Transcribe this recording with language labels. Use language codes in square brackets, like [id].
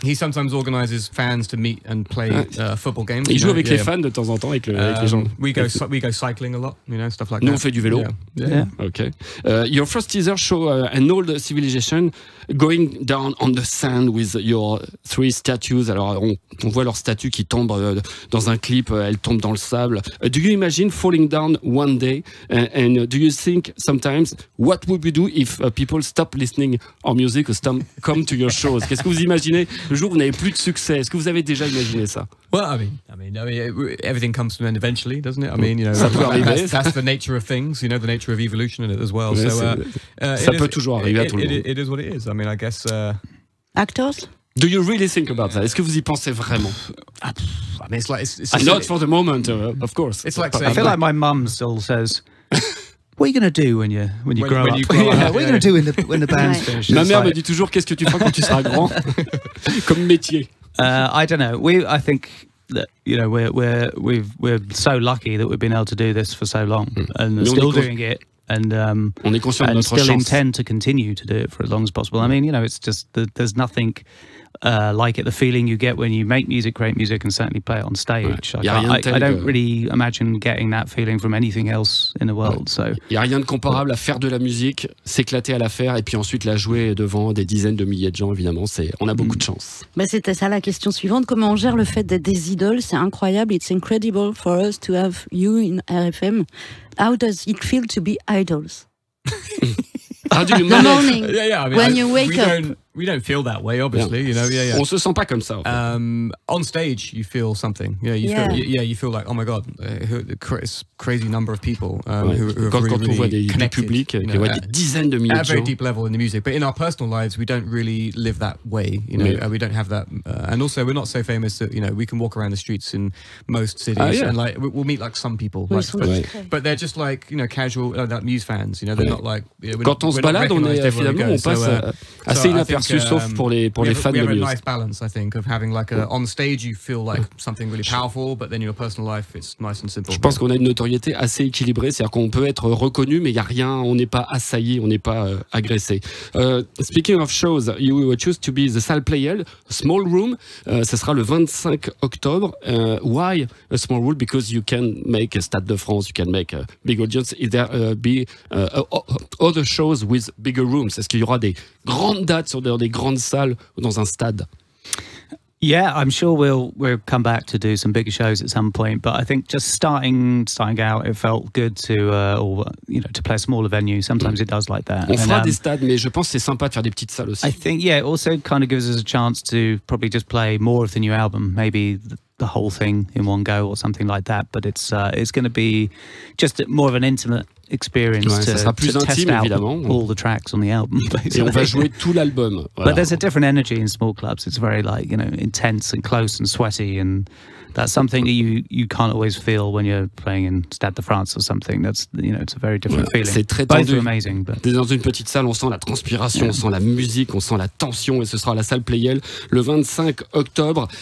[en] He sometimes organizes fans to meet and play football games. [fr] Il joue avec les fans de temps en temps, avec les gens. [en] We go cycling a lot, you know, stuff like [fr] nous [en] that. [fr] On fait du vélo. [en] Okay. Your first teaser show an old civilization going down on the sand with your three statues. [fr] Alors, on voit leurs statues qui tombent dans un clip. Elles tombent dans le sable. [en] Do you imagine falling down one day? And do you think sometimes what would we do if people stop listening our music or stop come to your shows? [fr] Qu'est-ce que vous imaginez le jour où vous n'avez plus de succès? Est-ce que vous avez déjà imaginé ça? [en] Well, I mean, everything comes to an end eventually, doesn't it? I mean, you know, that's the nature of things, you know, the nature of evolution in it as well. So, [fr] ça peut toujours arriver à tout le monde. [en] It is what it is. I mean, I guess. Actors? Do you really think about that? [fr] Est-ce que vous y pensez vraiment? [en] I mean, it's like. Not for the moment, of course. It's like saying, I feel like my mum still says. What are you going to do when you grow up? When you grow what are you going to do when the band's finished? [fr] Ma mère me dit toujours, qu'est-ce que tu feras quand tu seras grand? Comme métier. [en] I don't know. I think that, you know, we're so lucky that we've been able to do this for so long and still doing it. And [fr] on est conscient [en] and [fr] de notre [en] still [fr] chance. [en] Intend to continue to do it for as long as possible. I mean, you know, it's just there's nothing like it. The feeling you get when you make music, create music, and certainly play it on stage. [fr] Ouais. [en] I don't really imagine getting that feeling from anything else in the world. [fr] Ouais. So il y a rien de comparable à faire de la musique, s'éclater à la faire, et puis ensuite la jouer devant des dizaines de milliers de gens. Évidemment, c'est on a beaucoup de chance. Mais c'était ça la question suivante. Comment on gère le fait d'être des idoles? C'est incroyable. [en] It's incredible for us to have you in RFM. How does it feel to be idols? How do you the morning, yeah, I mean, when you wake up. We don't feel that way, obviously. Yeah. You know, yeah. [fr] On se sent pas comme ça. [en] On stage, you feel something. You feel like, oh my god, crazy number of people [fr] quand on voit des publics, you know, des dizaines de millions. [en] At a very deep level in the music, but in our personal lives, we don't really live that way. You know, we don't have that. And also, we're not so famous that, you know, we can walk around the streets in most cities and like we'll meet like some people, but they're just like, you know, casual like Muse fans. You know, they're not like [fr] quand on se balade, on est finalement on passe assez inaperçu. Sauf pour les fans de Muse. [en] We have a nice balance, I think, of having like on stage you feel like something really powerful, but then your personal life it's nice and simple. [fr] Je pense qu'on a une notoriété assez équilibrée, c'est-à-dire qu'on peut être reconnu, mais il y a rien, on n'est pas assaillé, on n'est pas agressé. [en] Speaking of shows, you choose to be the salle player, small room. [fr] Ce sera le 25 octobre. [en] Why a small room? Because you can make a Stade de France, you can make a big audience. Is there other shows with bigger rooms? [fr] Est-ce qu'il y aura des grandes dates sur des grandes salles ou dans un stade? [en] Yeah, I'm sure we'll come back to do some bigger shows at some point, but I think just starting out, it felt good to to play a smaller venue. Sometimes it does like that. [fr] On fera des stades, mais je pense que c'est sympa de faire des petites salles aussi. [en] I think it also kind of gives us a chance to probably just play more of the new album, maybe the whole thing in one go or something like that, but it's going to be just more of an intimate experience all the tracks on the album. [fr] Et on va jouer tout l'album. Voilà. [en] But there's a different energy in small clubs. It's very like, you know, intense and close and sweaty, and that's something that you can't always feel when you're playing in Stade de France or something. That's, you know, it's a very different feeling. [fr] C'est très tendu. [en] Both are amazing, but... [fr] Dans une petite salle, on sent la transpiration, on sent la musique, on sent la tension, et ce sera à la salle Playel le 25 octobre.